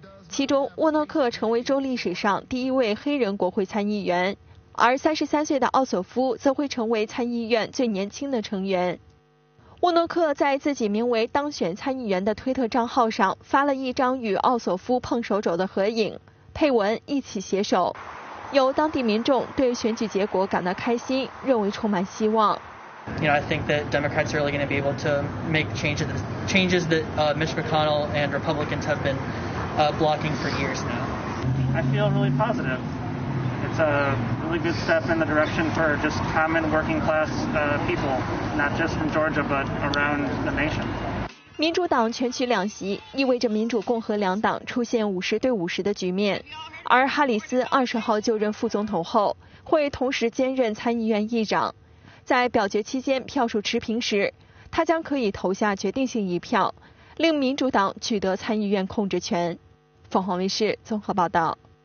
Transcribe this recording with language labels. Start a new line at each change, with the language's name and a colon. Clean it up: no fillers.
Chinese: 其中，沃诺克成为州历史上第一位黑人国会参议员，而33岁的奥索夫则会成为参议院最年轻的成员。沃诺克在自己名为“当选参议员”的推特账号上发了一张与奥索夫碰手肘的合影。配文一起携手，有当地民众对选举结果感到开心，认为充满希望。
English: You know, I think that Democrats are really going to be able to make changes that Mitch McConnell and Republicans have been blocking for years now. I feel really positive. It's a really good step in the direction for just common working class people, not just from Georgia but around the nation.
Chinese: 民主党全取两席，意味着民主共和两党出现50-50的局面。而哈里斯20号就任副总统后，会同时兼任参议院议长。在表决期间票数持平时，他将可以投下决定性一票，令民主党取得参议院控制权。凤凰卫视综合报道。